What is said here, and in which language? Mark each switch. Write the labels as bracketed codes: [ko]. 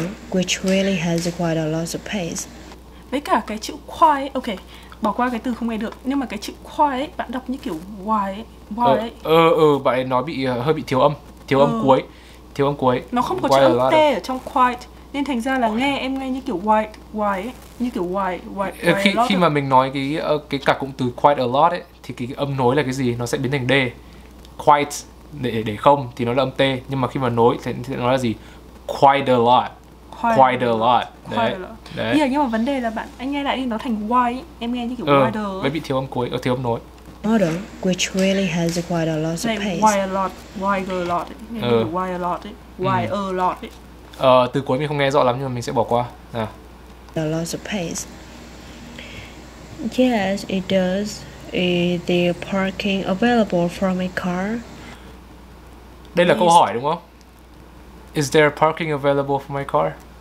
[en] Which really has quite a lot of pace. [vi] Với cả cái chữ quite, ok, bỏ qua cái từ không nghe được. Nhưng mà cái chữ quite bạn đọc như kiểu why. Bạn ấy nói bị hơi bị thiếu âm. Thiếu âm cuối. Thiếu âm cuối. Nó không có chữ âm T ở trong quite. Nên thành ra là nghe em nghe như kiểu white, white. Như kiểu white, white, [en] white. [vi] Khi mà mình nói cái cả cụm từ quite a lot ấy, thì cái âm nối là cái gì? Nó sẽ biến thành D. Quite để không thì nó là âm T. Nhưng mà khi mà nối thì nó là gì? Quite a lot. [en] Quite a lot. quite a lot. [vi] Đấy. Yeah, nhưng mà vấn đề là bạn anh nghe lại đi, nó thành why, em nghe như kiểu wider. Với bị thiếu âm cuối, thiếu âm nối. [en] Model, which really has quite a lot of pace. Why a lot, why a lot, why a lot, why a lot. [vi] Từ cuối mình không nghe rõ lắm nhưng mà mình sẽ bỏ qua. [en] A lot of pace. Yes, it does. Is the parking available from a car? [vi] Đây là câu hỏi đúng không? [en] Is there parking available for my car?